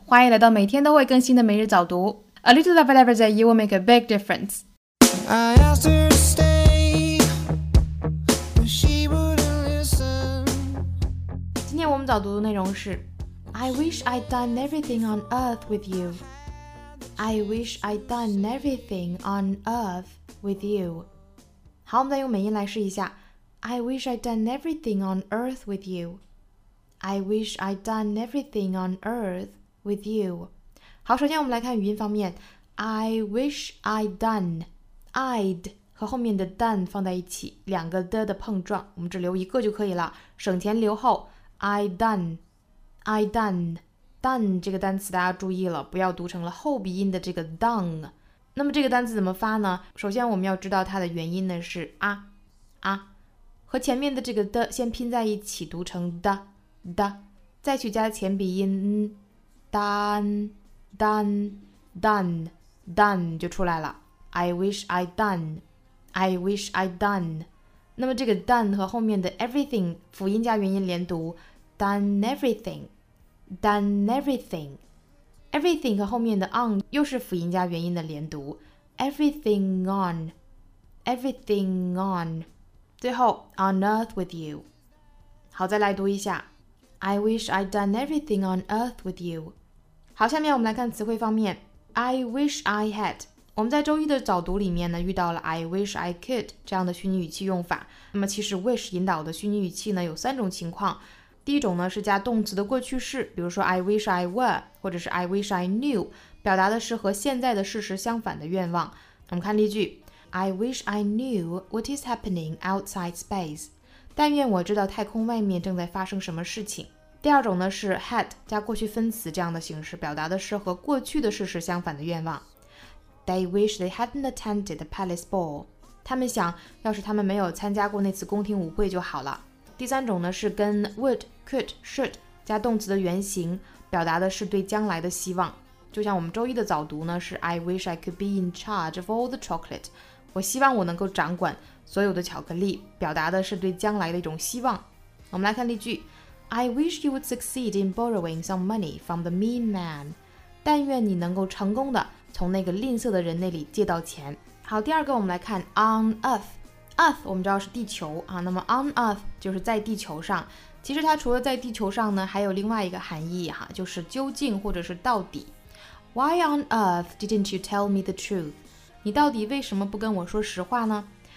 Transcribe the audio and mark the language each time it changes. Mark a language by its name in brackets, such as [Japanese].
[Chinese] 欢迎来到每天都会更新的每日早读。 [English] A little of whatever's at you will make a big difference. I asked her to stay, but she wouldn't listen. [Chinese] 今天我们早读的内容是 [English] I wish I'd done everything on earth with you. I wish I'd done everything on earth with you. [Chinese] 好，我们再用美音来试一下。 [English] I wish I'd done everything on earth with you. I wish I'd done everything on earth with you. [Chinese] 好，首先我们来看语音方面。 [English] I wish I'd done. [Chinese] I'd 和后面的 done 放在一起，两个的的碰撞，我们只留一个就可以了，省前留后。 [English] I'd done. I'd done. [Chinese] Done 这个单词大家注意了，不要读成了后鼻音的这个 done。那么这个单词怎么发呢？首先我们要知道它的元音呢是啊啊，和前面的这个的先拼在一起读成的。的，再去加前鼻音 done, done, done, done 就出来了。 [English] I wish I'd done, I wish I'd done。 [Chinese] 那么这个 done 和后面的 everything 辅音加元音连读 [English] done everything, done everything。 [Chinese] Everything 和后面的 on 又是辅音加元音的连读 [English] everything on, everything on。 [Chinese] 最后 [English] on earth with you。 [Chinese] 好，再来读一下。 [English] I wish I'd done everything on earth with you. [Chinese] 好，下面我们来看词汇方面。 [English] I wish I had. [Chinese] 我们在周一的早读里面呢遇到了 [English] I wish I could [Chinese] 这样的虚拟语气用法。那么其实 wish 引导的虚拟语气呢有三种情况。第一种呢是加动词的过去式，比如说 [English] I wish I were [Chinese] 或者是 [English] I wish I knew， [Chinese] 表达的是和现在的事实相反的愿望。我们看例句。 [English] I wish I knew what is happening outside space. [Chinese] 但愿我知道太空外面正在发生什么事情。第二种呢是 had 加过去分词这样的形式，表达的是和过去的事实相反的愿望。 [English] They wish they hadn't attended the palace ball. [Chinese] 他们想要是他们没有参加过那次宫廷舞会就好了。第三种呢是跟 would, could, should 加动词的原型，表达的是对将来的希望。就像我们周一的早读呢是 [English] I wish I could be in charge of all the chocolate. [Chinese] 我希望我能够掌管所有的巧克力，表达的是对将来的一种希望。我们来看例句。 [English] I wish you would succeed in borrowing some money from the mean man. [Chinese] 但愿你能够成功的从那个吝啬的人那里借到钱。好，第二个我们来看 on earth。earth 我们知道是地球啊，那么 on earth 就是在地球上。其实它除了在地球上呢还有另外一个含义哈，就是究竟或者是到底。 [English] Why on earth didn't you tell me the truth? [Chinese] 你到底为什么不跟我说实话呢？